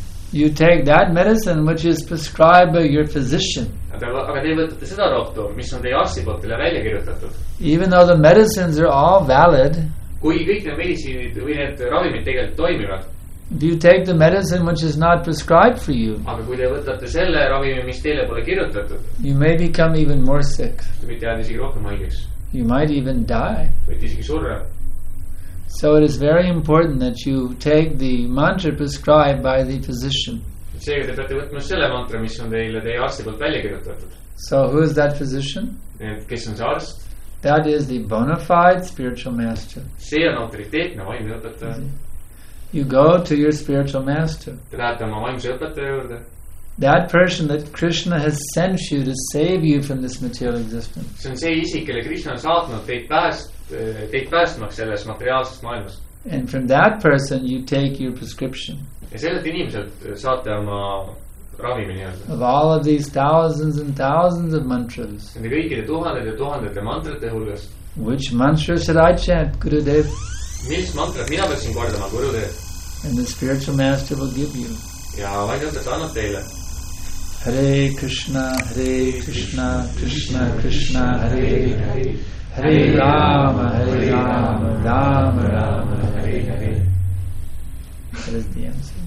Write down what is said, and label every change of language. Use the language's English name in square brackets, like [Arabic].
[English] You take that medicine which is prescribed by your physician. [Estonian] Aga te võtate seda rohtu, mis on teie arsti poolt teile välja kirjutatud. [English] Even though the medicines are all valid, [Estonian] kui kõik need medisiinid või need ravimid tegelikult toimivad, [English] do you take the medicine which is not prescribed for you? [Estonian] Aga kui te võtate selle ravimi, mis teile pole kirjutatud, [English] you may become even more sick. [Estonian] Võite jääda isegi rohkem haigeks. [English] You might even die. [Estonian] Võite isegi surra. [English] So it is very important that you take the mantra prescribed by the physician. [Estonian] See, te peate võtma selle mantra, mis on teile teie arsti poolt välja kirjutatud. [English] So who is that physician? [Estonian] Et kes on see arst? [English] That is the bona fide spiritual master. [Estonian] See on autoriteetne vaimse õpetaja. [English] You go to your spiritual master. That person that Krishna has sent you to save you from this material existence. [Estonian] See on see isik, kelle Krishna on saatnud teid päästmaks selles materiaalses maailmas. [English] And from that person you take your prescription. [Estonian] Ja sellelt inimeselt saate oma ravimi nii-öelda. [English] Of all of these thousands and thousands of mantras. [Estonian] Ja kõikide tuhanded ja tuhandete mantrate hulgas. [English] Which mantra should I chant, Gurudev? [Estonian] Mis mantra mina peaksin kordama, Gurudev? [English] And the spiritual master will give you. [Estonian] Ja vaidlõttes annab teile. [Sanskrit] Hare Krishna, Krishna, Krishna, Hare Hare. Hare Rama, Hare Rama, Rama Rama, Hare Hare. [English] That is the answer.